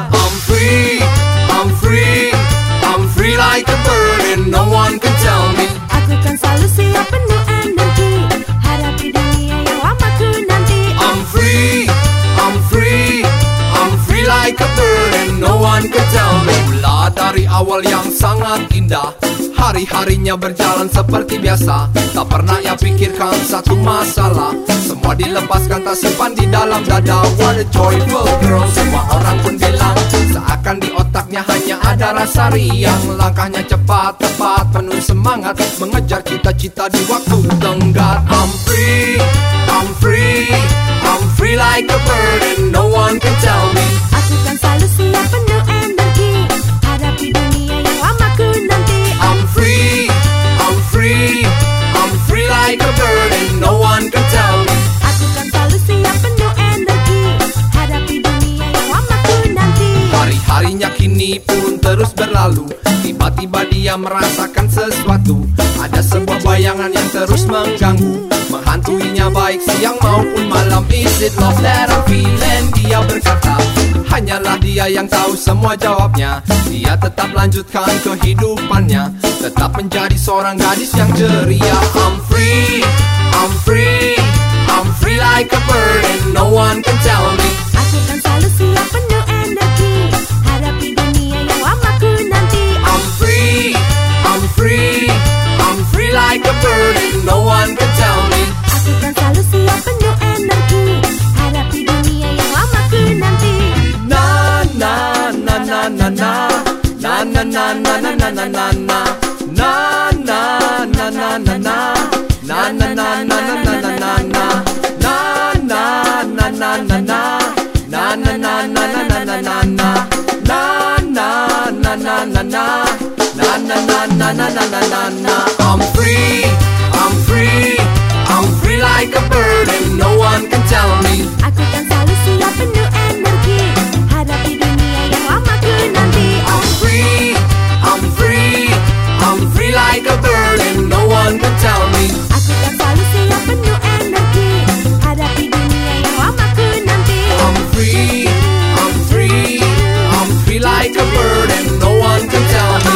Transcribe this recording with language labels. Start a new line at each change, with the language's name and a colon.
English: I'm free, I'm free, I'm free like a bird and no one can tell me.
Indonesian: Aku kan selalu siap penuh energi, harap di dunia yang lama ku nanti.
English: I'm free, I'm free, I'm free like a bird and no one can tell me.
Indonesian: Mula dari awal yang sangat indah, hari-harinya berjalan seperti biasa. Tak pernah ia pikirkan satu masalah, semua dilepaskan tak simpan di dalam dada.
English: What a joyful girl,
Indonesian: semua orang pun bilang, seakan di otaknya hanya ada rasa riang. Langkahnya cepat, tepat, penuh semangat, mengejar cita-cita di waktu tenggat.
English: I'm free, I'm free, I'm free like a bird and no one can tell me.
Indonesian: Aku kan selalu siap penuh energi, hadapi dunia yang lama ku nanti.
English: I'm free, I'm free, I'm free like a bird and no one can tell me.
Indonesian: Aku kan selalu siap penuh energi, hadapi dunia yang lama ku nanti. Hari-harinya kini pun terus berlalu, tiba-tiba dia merasakan sesuatu. Ada sebuah bayangan yang terus mengganggu, menghantuinya baik siang maupun malam.
English: Is it love that I'm feeling?
Indonesian: Dia berkata, hanyalah dia yang tahu semua jawabnya. Dia tetap lanjutkan kehidupannya, tetap menjadi seorang gadis yang ceria.
English: I'm free, I'm free, I'm free like a bird and no one can tell me.
Indonesian: Aku kan selalu siap penuh energi, hadapi dunia yang lama ku nanti.
English: I'm free, I'm free, I'm free like a bird and no one can tell me.
Indonesian: Aku kan selalu siap penuh energi, hadapi dunia yang lama ku nanti. Na na na na na na na na na na na na na na na na na na na na na na na na na na na na na na na na na na na na na na na na na na na na na na na na na na na na na na na na na na na na.
English: I'm free, I'm free, I'm free like a bird and no one can tell me.
Indonesian: Aku kan selalu siap penuh energi, hadapi dunia yang lama ku nanti.
English: I'm free, I'm free, I'm free like a bird and no one can tell me.
Indonesian: Aku kan selalu siap penuh energi, hadapi dunia yang lama ku nanti.
English: I'm free, I'm free, I'm free like a bird and no one can tell me.